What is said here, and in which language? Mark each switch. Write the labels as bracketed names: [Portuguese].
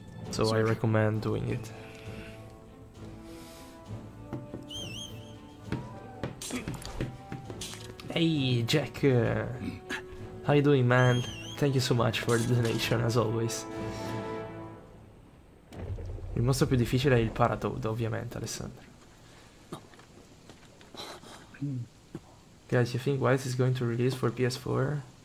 [English] So I recommend doing it. Hey Jack, how you doing, man? Thank you so much for the donation, as always. [Italian] Il mostro più difficile è il Paratoad, ovviamente, Alessandro. [English] Guys, you think Wise is going to release for PS4?